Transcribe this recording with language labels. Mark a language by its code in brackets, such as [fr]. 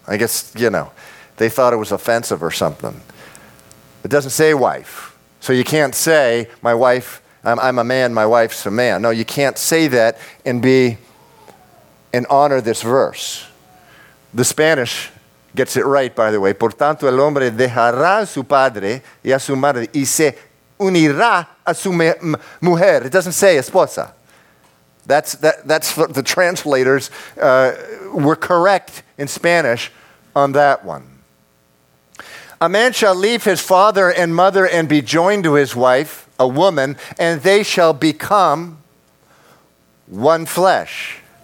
[en] I guess, you know, they thought it was offensive or something. It doesn't say wife. So you can't say, my wife, I'm a man, my wife's a man. No, you can't say that and be and honor this verse. The Spanish gets it right, by the way. [es] Por tanto, el hombre dejará a su padre y a su madre y se unirá a su mujer. [en] It doesn't say esposa. That's what the translators were correct in Spanish on that one. A man shall leave his father and mother and be joined to his wife, a woman, and they shall become one flesh.